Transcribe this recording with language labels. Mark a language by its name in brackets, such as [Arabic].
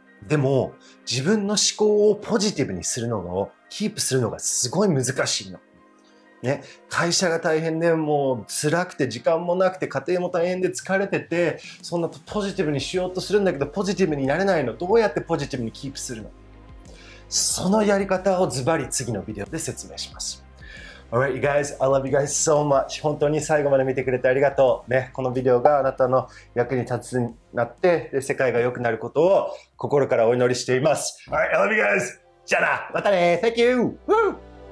[Japanese] でも、自分の思考をポジティブにするのを、キープするのがすごい難しいの。ね、会社が大変で、もう辛くて時間もなくて、家庭も大変で疲れてて、そんなポジティブにしようとするんだけど、ポジティブになれないの。どうやってポジティブにキープするの？そのやり方をズバリ次のビデオで説明します。 [English] Alright, you guys, I love you guys so much. [Japanese] 本当に最後まで見てくれてありがとう。ね、このビデオがあなたの役に立つになって、で、世界が良くなることを心からお祈りしています。 [English] Alright, I love you guys. [Japanese] じゃあな、またね。 [English] Thank you. Woo!